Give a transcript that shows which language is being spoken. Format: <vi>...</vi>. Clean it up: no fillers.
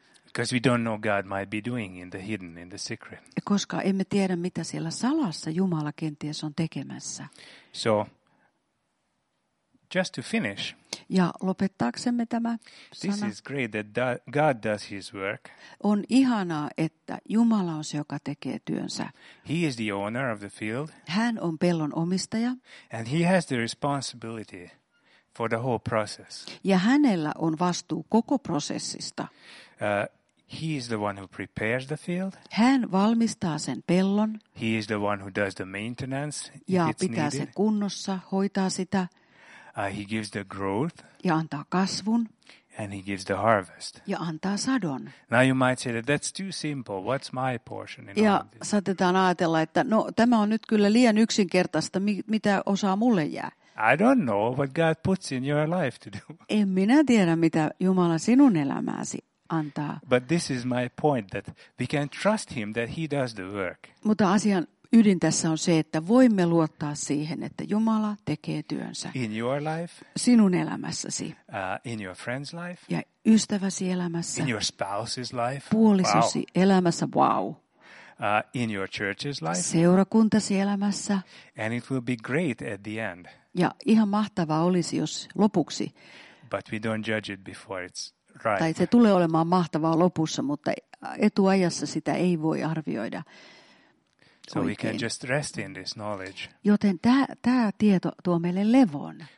<en>Because we don't know God might be doing in the hidden, in the secret.</en> <fi>Koska emme tiedä, mitä siellä salassa Jumala kenties on tekemässä.</fi> <en>So, just to finish.</en> <fi>Ja lopettaaksemme tämä sana.</fi> <en>This is great that God does his work.</en> <fi>On ihanaa, että Jumala on se, joka tekee työnsä.</fi> <en>He is the owner of the field.</en> <fi>Hän on pellon omistaja.</fi> <en>And he has the responsibility for the whole process.</en> <fi>Ja hänellä on vastuu koko prosessista.</fi> <en>He is the one who prepares the field.</en> <fi>Hän valmistaa sen pellon.</fi> <en>He is the one who does the maintenance.</en> <fi>Ja pitää sen kunnossa, hoitaa sitä.</fi> <en>He gives the growth.</en> <fi>Ja antaa kasvun.</fi> <en>And he gives the harvest.</en> <fi>Ja antaa sadon.</fi> <en>Now you might say that that's too simple. What's my portion in all this?</en> <fi>Ja saatetaan ajatella, että no tämä on nyt kyllä liian yksinkertaista, mitä osaa mulle jää.</fi> <en>I don't know what God puts in your life to do.</en> <fi>En minä tiedä, mitä Jumala sinun elämääsi antaa.</fi> <en>But this is my point, that we can trust him that he does the work.</en> <fi>Mutta asian ydin tässä on se, että voimme luottaa siihen, että Jumala tekee työnsä.</fi> <en>In your life.</en> <fi>Sinun elämässäsi.</fi> <en>In your friend's life.</en> <fi>Ja ystäväsi elämässä.</fi> <en>In your spouse's life.</en> <fi>Puolisosi wow. Elämässä. Wow.</fi> <en>In your church's life.</en> <fi>Seurakuntasi elämässä.</fi> <en>And it will be great at the end.</en> <fi>Ja ihan mahtavaa olisi, jos lopuksi.</fi> <en>But we don't judge it before it's ripe.</en> <fi>Tai se tulee olemaan mahtavaa lopussa, mutta etuajassa sitä ei voi arvioida.</fi> <en>So</en> <fi>oikein.</fi> <en>We can just rest in this knowledge.</en> <fi>Joten tämä tieto tuo meille levon.</fi>